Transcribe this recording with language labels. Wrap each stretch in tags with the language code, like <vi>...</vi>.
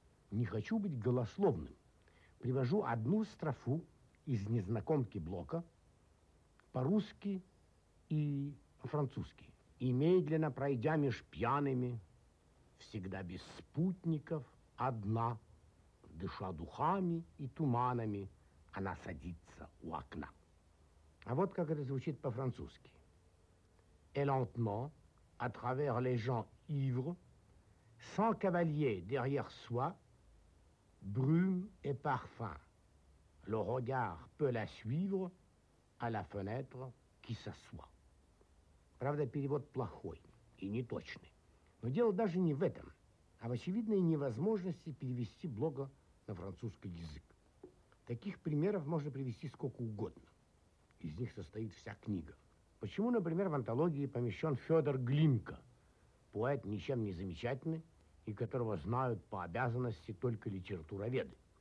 <ru>Не хочу быть голословным. Привожу одну строфу из «Незнакомки Блока» по-русски и по-французски. «И медленно пройдя меж пьяными, всегда без спутников, одна, дыша духами и туманами, она садится у окна». А вот как это звучит по-французски.</ru> <fr>«Et lentement, à travers les gens ivres, sans cavalier derrière soi, brume et parfum, le regard peut la suivre à la fenêtre qui s'assoit».</fr> <ru>Правда, перевод плохой и неточный. Но дело даже не в этом, а в очевидной невозможности перевести Блока на французский язык. Таких примеров можно привести сколько угодно. Из них состоит вся книга. Почему, например, в антологии помещен Федор Глинка, поэт ничем не замечательный, и которого знают по обязанности только литературоведы?</ru>